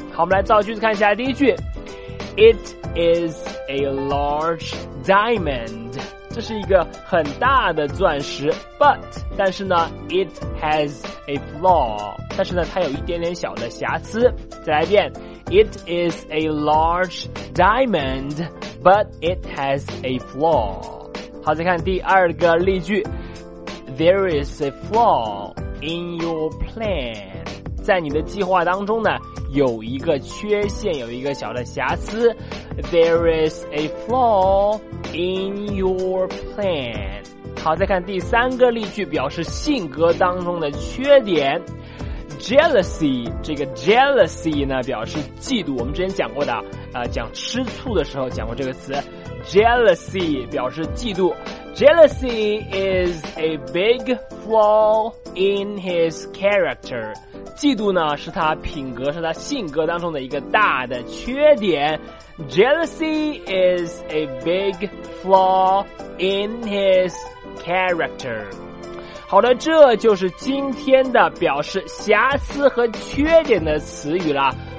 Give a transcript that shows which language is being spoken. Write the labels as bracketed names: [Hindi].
[Chinese] 好，我们来造句子看一下。第一句 ， [English] It is a large diamond， [Chinese] 这是一个很大的钻石。 But 但是呢 ， [English] It has a flaw， [Chinese] 但是呢，它有一点点小的瑕疵。再来一遍 [English] ，It is a large diamond， but it has a flaw。 [Chinese] 好，再看第二个例句 [English] ，There is a flaw in your plan。 [Chinese] 在你的计划当中呢有一个缺陷，有一个小的瑕疵。 [English] There is a flaw in your plan。 [Chinese] 好，再看第三个例句，表示性格当中的缺点。 Jealousy， 这个 jealousy 呢表示嫉妒，我们之前讲过的讲吃醋的时候讲过这个词。 Jealousy 表示嫉妒。 [English] Jealousy is a big flaw in his character。 [Chinese] 嫉妒呢是他品格，是他性格当中的一个大的缺点。 [English] Jealousy is a big flaw in his character。 [Chinese] 好的，这就是今天的表示瑕疵和缺点的词语了。